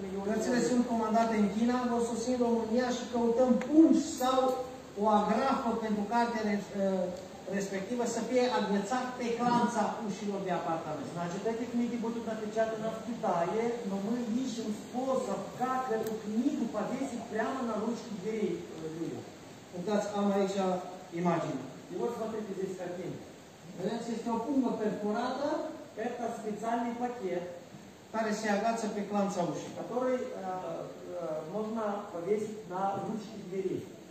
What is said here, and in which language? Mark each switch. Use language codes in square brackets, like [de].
[ro] Cărțile sunt comandate în China, vă susțin România și căutăm pungi sau o agrafă pentru cartele respectivă să fie agățat pe clanța ușilor de apartament. [ru] Значит, эти книги будут напечатаны в Китае, но мы ищем способ, как эту книгу повесить прямо на ручку дверей. [ro] Uitați, am aici imagine. [ru] И вот смотрите здесь картинка. [ro] Vedeți, este o pungă perforată. [ru] Это специальный пакет, [ro] care se agață pe clanța ușii. [ru] Который можно повесить на ручку дверей.